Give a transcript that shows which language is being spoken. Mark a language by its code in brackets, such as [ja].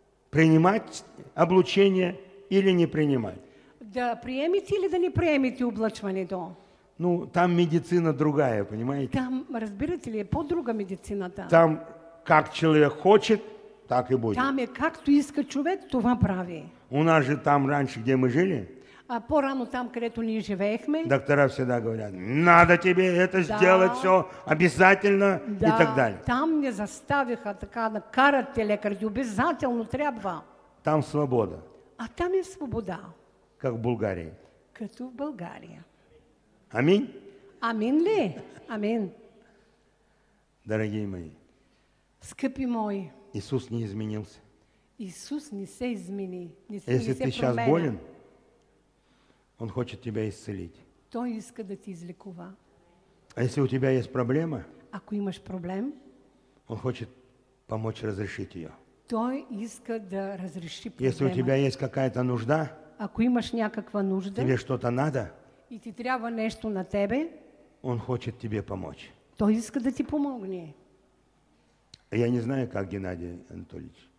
[ru] Принимать облучение или не принимать. [bg] Да приемите или да не приемите облъчването. [ru] Ну, там медицина другая, понимаете? [bg] Там, разбирате ли, по-друга медицината. [ru] Там, как человек хочет, так и будет. [bg] Там е както иска човек, това прави. [ru] У нас же там раньше, где мы жили. [bg] А по-рано там, където ние живеехме. [ru] Доктора всегда говорят, надо тебе это да, сделать все обязательно да, и так далее. [bg] Там не заставиха така, накарат те лекар, обязательно трябва. [ru] Там свобода. [bg] А там е свобода. [ru] Как в Булгарии. [bg] Като в България. [ru] Аминь. [bg] Амин ли? Амин. [ru] Дорогие мои. [bg] Скъпи мои. [ru] Иисус не изменился. [bg] Иисус не се измени. Не се [ru] Если не ты сейчас болен, Он хочет тебя исцелить. [bg] Той иска да ти излекува. [ru] А если у тебя есть проблема, [bg] Ако имаш проблем, [ru] Он хочет помочь разрешить ее. [bg] Той иска да разреши проблема. [ru] Если у тебя есть какая-то нужда, [bg] Ако имаш някаква нужда, [ru] тебе что-то надо, [bg] И ти трябва нещо на тебе. [ru] Он хочет тебе помочь. [bg] Той иска да ти помогне. [ru] Я не знаю, как Геннадий Анатольевич.